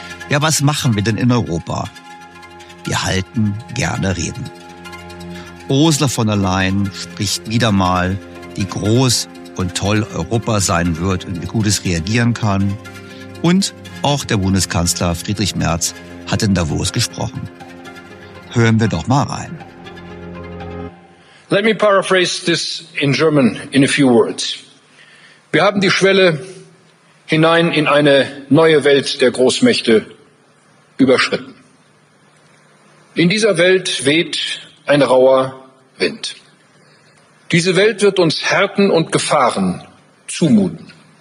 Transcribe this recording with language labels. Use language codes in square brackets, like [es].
[de] Ja, was machen wir denn in Europa? Wir halten gerne Reden. Ursula von der Leyen spricht wieder mal, wie groß und toll Europa sein wird und wie gut es reagieren kann. Und auch der Bundeskanzler Friedrich Merz hat in Davos gesprochen. Hören wir doch mal rein. [en] Let me paraphrase this in German in a few words. [de] Wir haben die Schwelle hinein in eine neue Welt der Großmächte überschritten. In dieser Welt weht ein rauer Rückenwind. Diese Welt wird uns Härten und Gefahren zumuten.